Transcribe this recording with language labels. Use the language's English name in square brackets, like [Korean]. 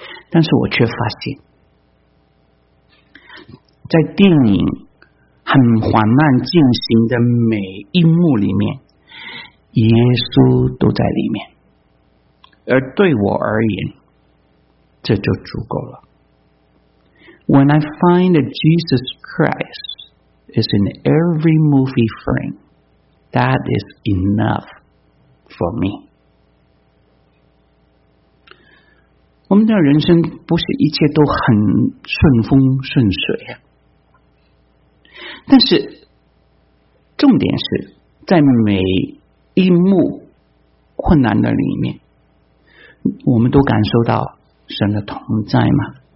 [Chinese] 但是我却发现在电影很缓慢进行的每一幕里面，耶稣都在里面，而对我而言这就足够了。 [English] When I find that Jesus Christ is in every movie frame, that is enough for me. [Chinese] 我们的人生不是一切都很顺风顺水啊，但是重点是在每一幕困难的里面我们都感受到神的同在吗？